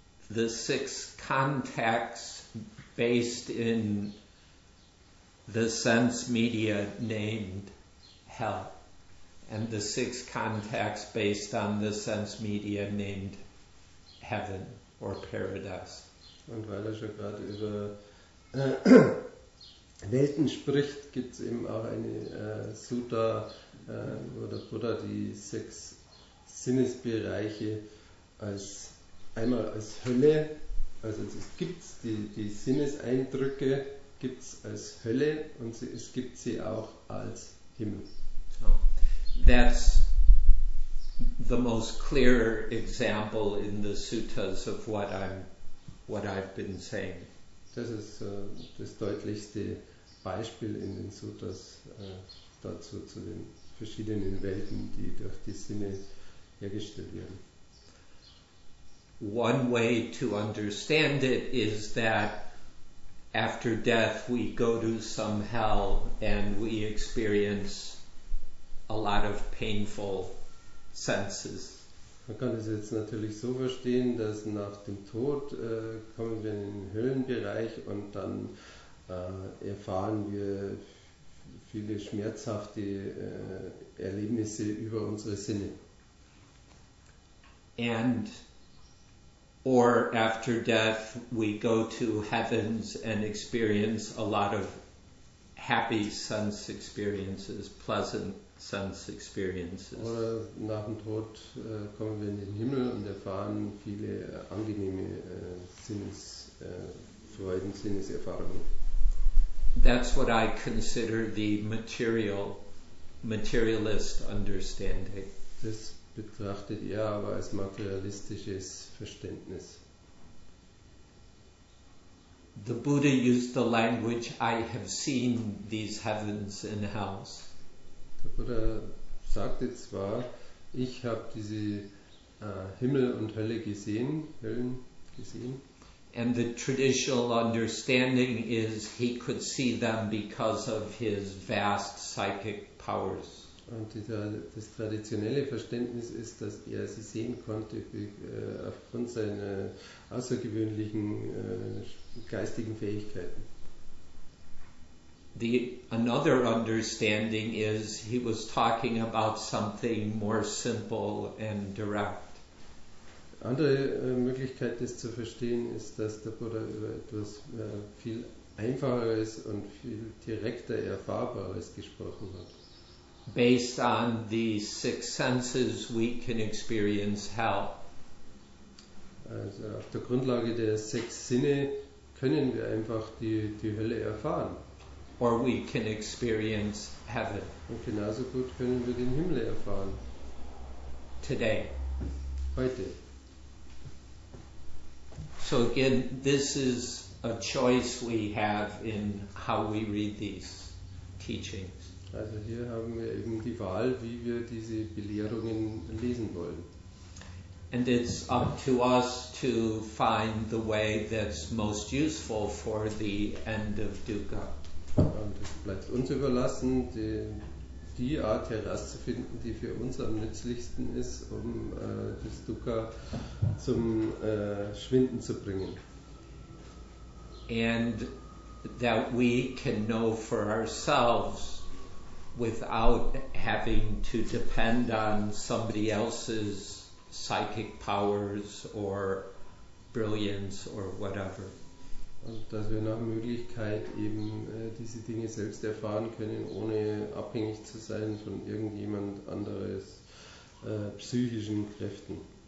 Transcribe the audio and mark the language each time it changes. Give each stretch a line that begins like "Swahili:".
English: the six contacts based in the sense media named hell, and the six contacts based on the sense media named heaven or paradise.
German: Und weil er schon gerade über Welten spricht, gibt es eben auch eine Sutta, wo der Buddha die sechs Sinnesbereiche als einmal als Hölle, also es gibt die Sinneseindrücke, gibt es als Hölle und es gibt sie auch als Himmel.
English: That's the most clear example in the suttas of what I've been saying.
German: Das ist das deutlichste Beispiel in den Suttas dazu, zu den verschiedenen Welten, die durch die Sinne hergestellt werden.
English: One way to understand it is that after death we go to some hell and we experience a lot of painful senses.
German: Man kann es jetzt natürlich so verstehen, dass nach dem Tod kommen wir in den Höllenbereich und dann erfahren wir viele schmerzhafte Erlebnisse über unsere Sinne.
English: And or after death we go to heavens and experience a lot of happy sense experiences, pleasant sense experiences.
German: Oder nach dem Tod kommen wir in den Himmel und erfahren viele angenehme Sinnesfreuden, Sinneserfahrungen.
English: That's what I consider the materialist understanding.
German: Das betrachtet er aber als materialistisches Verständnis.
English: The Buddha used the language, I have seen these heavens and hells.
German: Der Buddha sagte zwar, ich habe diese Himmel und Hölle gesehen, Höllen gesehen.
English: And the traditional understanding is he could see them because of his vast psychic powers.
German: Und das traditionelle Verständnis ist, dass er sie sehen konnte aufgrund seiner außergewöhnlichen geistigen Fähigkeiten.
English: Another understanding is he was talking about something more simple and direct.
German: Andere Möglichkeit, das zu verstehen, ist, dass der Buddha über etwas viel Einfacheres und viel direkter Erfahrbares gesprochen hat.
English: Based on the six senses, we can experience hell.
German: auf der Grundlage der sechs Sinne können wir einfach die Hölle erfahren.
English: Or we can experience heaven.
German: Und genauso gut können wir den Himmel erfahren.
English: Today.
German: Heute.
English: So again, this is a choice we have in how we read these teachings.
German: Also hier haben wir eben die Wahl, wie wir diese Belehrungen lesen wollen.
English: And it's up to us to find the way that's most useful for the end of dukkha.
German: Und es bleibt uns überlassen, die Art herauszufinden, die für uns am nützlichsten ist, um das Dukkha zum Schwinden zu bringen.
English: And that we can know for ourselves without having to depend on somebody else's psychic powers or brilliance or whatever.
German: Und dass wir nach Möglichkeit eben diese Dinge selbst erfahren können, ohne abhängig zu sein von irgendjemand anderes psychischen Kräften.